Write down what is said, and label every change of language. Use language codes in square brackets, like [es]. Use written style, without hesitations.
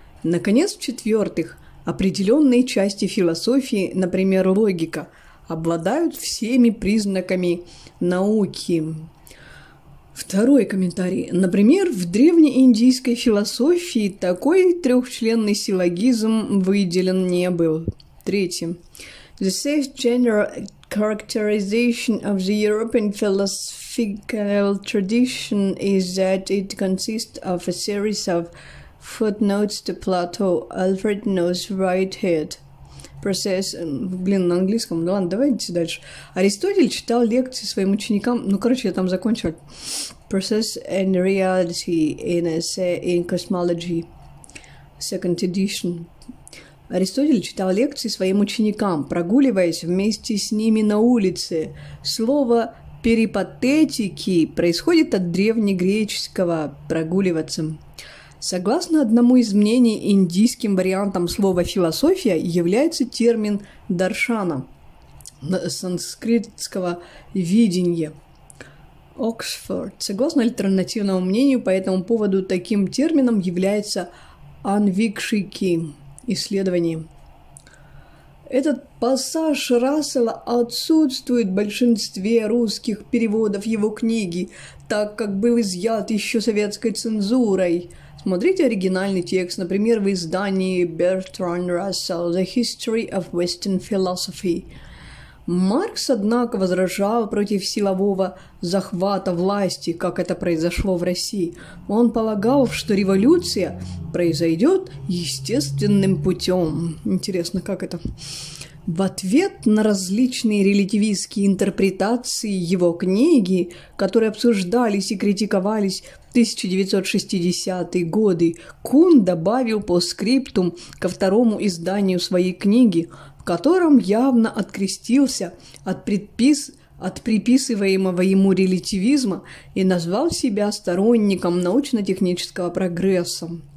[ru] Наконец, в-четвертых, определенные части философии, например, логика, обладают всеми признаками науки. Второй комментарий. Например, в древнеиндийской философии такой трехчленный силлогизм выделен не был. Третий. [en] The safe general characterization of the European philosophical tradition is that it consists of a series of footnotes to Plato, Alfred knows right head. [ru] Process... Блин, на английском. Ну ладно, давайте дальше. Аристотель читал лекции своим ученикам. Ну, короче, я там закончил. [en] Process and reality in essay in cosmology. Second edition. [ru] Аристотель читал лекции своим ученикам, прогуливаясь вместе с ними на улице. Слово «перипатетики» происходит от древнегреческого «прогуливаться». Согласно одному из мнений, индийским вариантом слова «философия» является термин «даршана» – санскритского «видение». Оксфорд. Согласно альтернативному мнению, по этому поводу таким термином является «анвикшики» – «исследование». Этот пассаж Рассела отсутствует в большинстве русских переводов его книги, так как был изъят еще советской цензурой. Смотрите оригинальный текст, например, в издании Bertrand Russell «The History of Western Philosophy». Маркс, однако, возражал против силового захвата власти, как это произошло в России. Он полагал, что революция произойдет естественным путем. Интересно, как это? В ответ на различные релятивистские интерпретации его книги, которые обсуждались и критиковались в 1960-е годы, Кун добавил постскриптум ко второму изданию своей книги, в котором явно открестился от приписываемого ему релятивизма и назвал себя сторонником научно-технического прогресса.